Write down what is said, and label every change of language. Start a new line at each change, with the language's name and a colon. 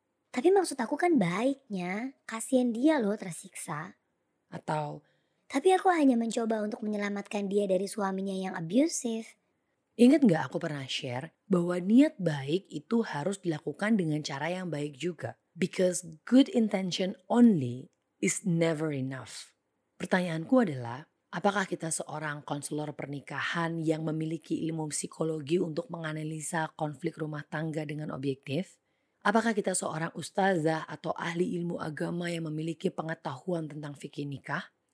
Indonesian: "Tapi maksud aku kan baiknya, kasihan dia loh tersiksa." Atau, "Tapi aku hanya mencoba untuk menyelamatkan dia dari suaminya yang abusive." Ingat gak aku pernah share bahwa niat baik itu harus dilakukan dengan cara yang baik juga.
English: Because good intention only is never enough.
Indonesian: Pertanyaanku adalah, apakah kita seorang konselor pernikahan yang memiliki ilmu psikologi untuk menganalisa konflik rumah tangga dengan objektif? Apakah kita seorang ustazah atau ahli ilmu agama yang memiliki pengetahuan tentang fikih nikah?